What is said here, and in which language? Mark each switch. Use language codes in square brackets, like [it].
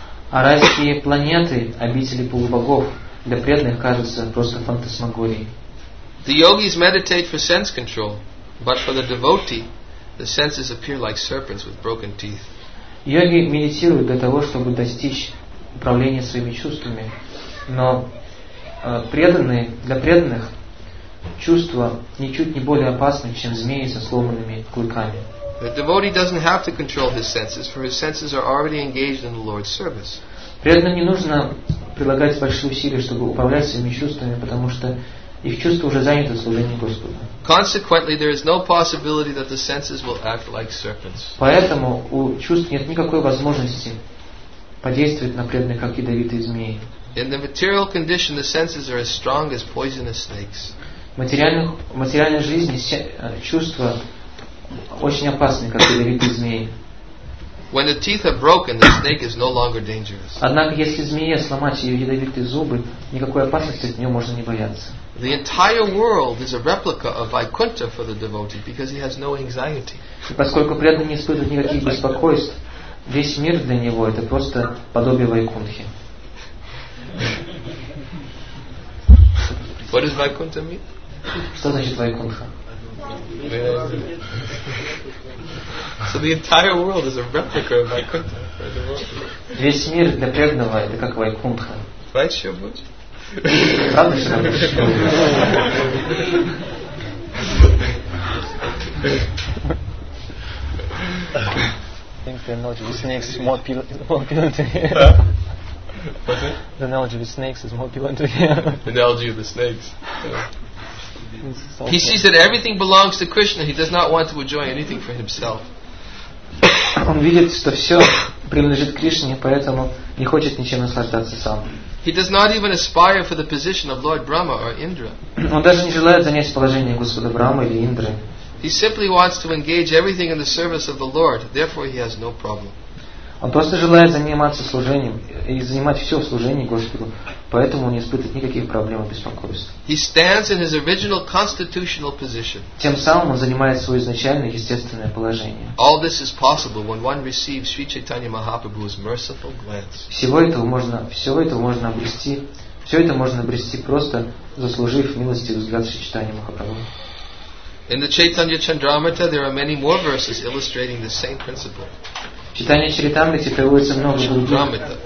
[ru] А райские планеты, обители полубогов, для преданных кажутся просто фантасмагорией. [en] The yogis meditate for sense control, but for the devotee, the senses appear like serpents with broken teeth. [ru] Йоги медитируют для того, чтобы достичь управление своими чувствами, но преданные, для преданных чувства ничуть не более опасны, чем змеи со сломанными клыками. [en] The devotee doesn't have to control his senses, for his senses are already engaged in the Lord's service. [ru] Преданным не нужно прилагать большие усилия, чтобы управлять своими чувствами, потому что их чувства уже заняты служением Господу. [en] Consequently, there is no possibility that the senses will act like serpents. [ru] Поэтому у чувств нет никакой возможности подействует на преданных, как ядовитые змеи. [en] In the material condition, the senses are as strong as poisonous snakes. [ru] В материальной жизни чувства очень опасны, как ядовитые змеи. [en] When the teeth are broken, the snake is no longer dangerous. [ru] Однако, если змее сломать ее ядовитые зубы, никакой опасности от нее можно не бояться. [en] The entire world is a replica of Vaikuntha for the devotee because he has no anxiety. [ru] И поскольку преданный не испытывает никаких беспокойств, весь мир для него это просто подобие Вайкунтхи. [en] What does Vaikuntha mean? [ru] Что значит Вайкунтха? [en] So the entire world is a replica of Vaikuntha. [ru] Весь мир для преданного это как Вайкунтха. [en] Right, Шабудж? [ru] Правда, Шабудж? [en] I think the analogy with snakes is more appealing to him. What's it? The analogy with snakes is more appealing to him. The analogy of the snakes. He sees that everything belongs to Krishna. He does not want to enjoy anything for himself. [ru] Он видит, что все принадлежит Кришне, поэтому не хочет ничем наслаждаться сам. [en] He does not even aspire for the position of Lord Brahma or Indra. [ru] Он даже не желает занять положение Господа Брамы или Индры. [en] He simply wants to engage everything in the service of the Lord. Therefore, he has no problem. [ru] Он просто желает заниматься служением и занимать все в служении Господу, поэтому он не испытывает никаких проблем и беспокойств. [en] He stands in his original constitutional position. [ru] Тем самым он занимает свое изначальное естественное положение. [en] All this is possible when one receives Sri Chaitanya Mahaprabhu's merciful glance. [ru] Все это можно обрести просто заслужив милости взгляд Шри Чайтаньи Махапрабху. [en] In the Chaitanya Chandramrita, there are many more verses illustrating the same principle. [ru] Читание Чайтаньи приводится много других.